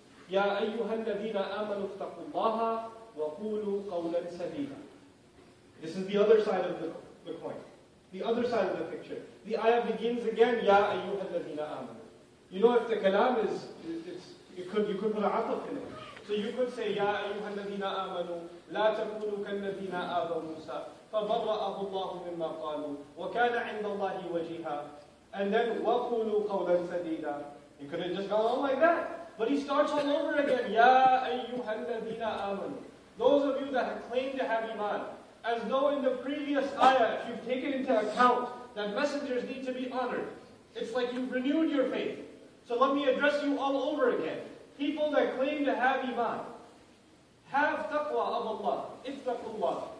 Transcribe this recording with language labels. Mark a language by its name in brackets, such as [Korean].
[Arabic] يَا أَيُّهَا الَّذِينَ آمَنُوا اتَّقُوا اللَّهَ وَقُولُوا قَوْلًا سَدِيدًا. [English] This is the other side of the coin. The other side of the picture. The ayah begins again, [Arabic] يَا أَيُّهَا الَّذِينَ آمَنُوا. [English] You know, if the kalam is, you could put a ataf in it. So you could say, [Arabic] يَا أَيُّهَا الَّذِينَ آمَنُوا لَا تَكُونُوا كَالَّذِينَ آذَوْا مُوسَى فَبَرَّأَهُ اللَّهُ مِمَّا قَالُوا وَكَانَ عِنْدَ اللَّهِ وَجِيهًا. [English] And then, [Arabic] وَقُولُوا قَوْلًا سَدِيدًا. [English] You could have just gone on like that. But he starts all over again. [Arabic] يَا أَيُّهَا الَّذِينَ آمَنُوا. [English] Those of you that have claimed to have iman, as though in the previous ayah, if you've taken into account that messengers need to be honored, it's like you've renewed your faith. So let me address you all over again. People that claim to have iman, have taqwa of Allah, ittaqullah.